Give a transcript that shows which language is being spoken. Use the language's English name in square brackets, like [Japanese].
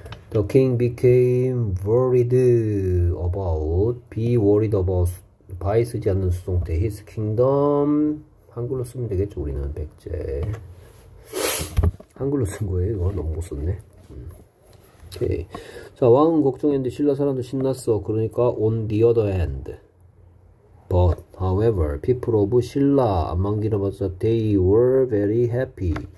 [English] The king became worried about, be worried about, by [Korean] 쓰지 않는 수동태, [English] his kingdom. [Korean] 한글로 쓰면 되겠죠, 우리는, 백제. 한글로 쓴 거예요, 이거. 너무 못 썼네. 오케이. 자, 왕은 걱정했는데, 신라 사람도 신났어. 그러니까, [English] on the other hand. But, however, people of 신라, [Korean] 안만기라봤자 [English] they were very happy.